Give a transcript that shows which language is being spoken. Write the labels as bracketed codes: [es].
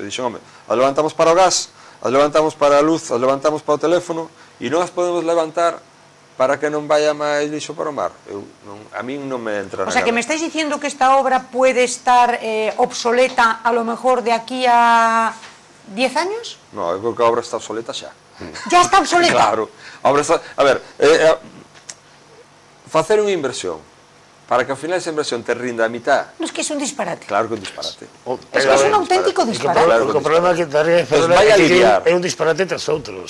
[es] Y dice, hombre, las levantamos para el gas, las levantamos para la luz, las levantamos para el teléfono, y no las podemos levantar para que [gl] non vaya máis lixo para o mar. A mí non me entra nada. O sea, que me estáis dicendo que esta obra pode estar obsoleta [es] a lo mejor de aquí a 10 años? [gl] No, eu creo que a obra está obsoleta xa. Já está obsoleta? Claro. A obra está... A ver, facer unha inversión para que ao final esa inversión te rinda a mitad. No, es que é un disparate. Claro que é un disparate. Es que é un auténtico disparate. Claro, o problema que te haría é un disparate tras outro.